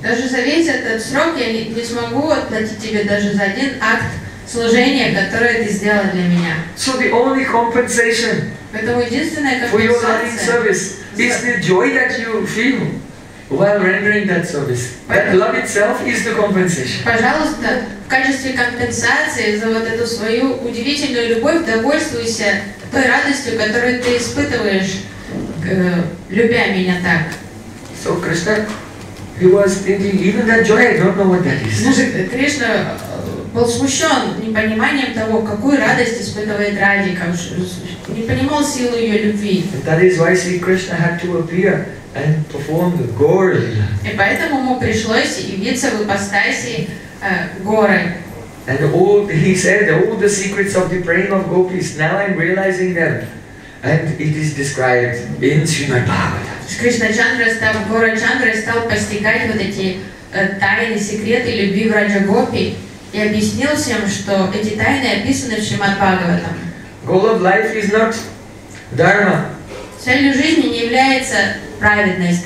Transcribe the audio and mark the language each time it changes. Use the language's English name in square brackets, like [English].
[Russian] даже за весь этот срок я не смогу отплатить тебе даже за один акт служения, которое ты сделал для меня. [English] So the only compensation for your loving service is the joy that you feel while rendering that service. That love itself is the compensation. [Russian] Пожалуйста, в качестве компенсации за вот эту свою удивительную любовь довольствуйся той радостью, которую ты испытываешь, любя меня так. [English] So Krishna, he was thinking, even that joy, I don't know what that is. [Russian] Кришна был смущен непониманием того, какую радость испытывает Радика, не понимал силу ее любви. [English] That is why Sri Krishna had to appear and perform the gore. [Russian] И поэтому ему пришлось явиться в ипостаси горы. [English] And all he said, all the secrets of the praying of gopis, now I'm realizing them. And it is described in Srimad Bhagavatam. [Russian] Кришна Чандра стал гора Чандра и стал постигать вот эти тайны, секреты любви в Раджа-гопи и объяснил всем, что эти тайны описаны в Шримад Бхагаватам. [English] Goal of life is not dharma. [Russian] Целью жизни не является праведность,